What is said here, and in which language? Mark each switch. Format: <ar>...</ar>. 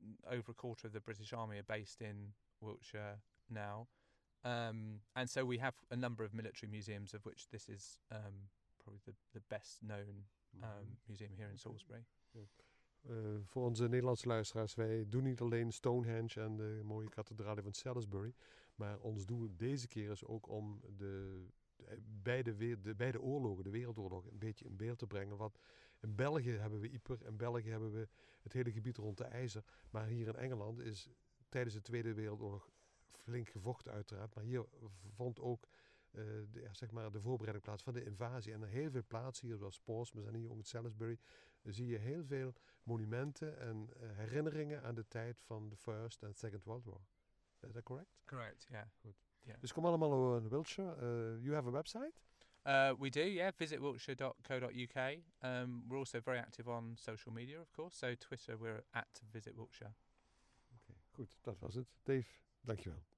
<en>Over a quarter of the British Army are based in Wiltshire now, and so we have a number of military museums, of which this is probably the best known museum here in Salisbury.</en> <nl>Voor onze Nederlandse luisteraars, wij doen niet alleen Stonehenge en de mooie kathedraal van Salisbury, maar ons doel deze keer is ook om de beide oorlogen, de wereldoorlog, een beetje in beeld te brengen. Want in België hebben we Ypres, in België hebben we het hele gebied rond de IJzer, maar hier in Engeland is tijdens de Tweede Wereldoorlog flink gevochten uiteraard, maar hier vond ook de voorbereiding plaats van de invasie. En er heel veel plaatsen hier, zoals Portsmouth en hier ook in Salisbury, zie je heel veel monumenten en herinneringen aan de tijd van de First en</nl> <en>Second World War.</en> <nl>Is dat correct? Correct, ja. Yeah. Goed. Yeah. Dus kom allemaal over in Wiltshire.</nl> <en>You have a website? We do, yeah. Visit wiltshire.co.uk. We're also very active on social media, of course. So Twitter, we're at Visit Wiltshire.</en> <nl>Okay, goed, dat was het. Dave, dankjewel.</nl>